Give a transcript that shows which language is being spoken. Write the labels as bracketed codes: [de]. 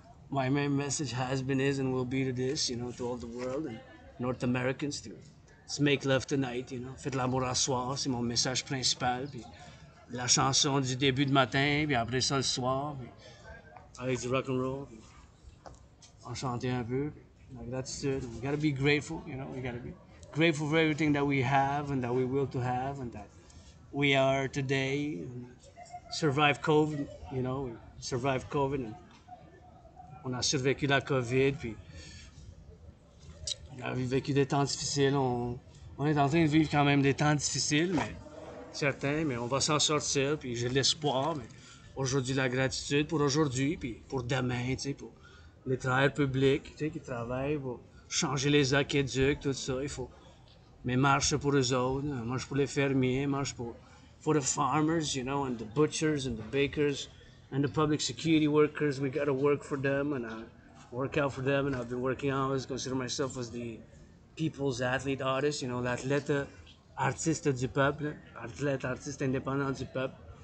[en] My main message has been, is, and will be to this, you know, to all the world and North Americans too. Let's make love tonight, you know. [fr] Faites l'amour à soir, c'est mon message principal. Puis la chanson du début de matin, puis après ça le soir. Puis avec du rock and roll. Puis en chanter un peu. [en] Like that's it. We gotta be grateful, you know. We gotta be grateful for everything that we have and that we will to have and that we are today. And survive COVID, you know. We survived COVID and [fr] on a survécu la COVID. Puis on a vécu des temps difficiles. On est en train de vivre quand même des temps difficiles, mais certains, mais on va s'en sortir, puis j'ai l'espoir, mais aujourd'hui, la gratitude pour aujourd'hui, puis pour demain, tu sais, pour les travailleurs publics, tu sais, qui travaillent pour changer les aqueducs, tout ça, il faut... Mais marche pour eux autres, marche pour les fermiers, marche pour... [en] For the farmers, you know, and the butchers, and the bakers, and the public security workers, we gotta work for them, and I work out for them, and I've been working out, I always consider myself as the people's athlete artist, you know, [fr] l'athlète artiste du peuple, athlète artiste indépendant du peuple.